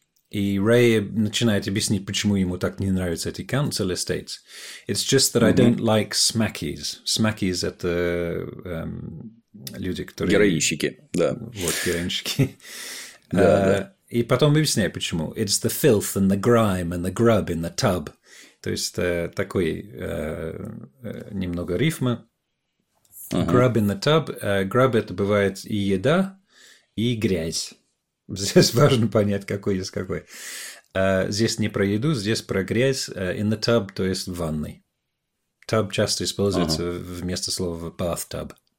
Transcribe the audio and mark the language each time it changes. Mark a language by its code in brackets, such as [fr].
[ru] и Рэй начинает объяснить, почему ему так не нравятся эти [en] council estates. It's just that I don't like smackies. Smackies – [ru] это люди, которые… Героинщики, да. Вот, героинщики. Да. И потом объясняет, почему. [en] It's the filth and the grime and the grub in the tub. [ru] То есть, такой немного рифма. [en] Grub in the tub. [ru] Grub – это бывает и еда, и грязь. Здесь важно понять, какой из какой. Здесь не про еду, здесь про грязь. [en] In the tub, [ru] то есть в ванной. Tub часто используется вместо слова bathtub.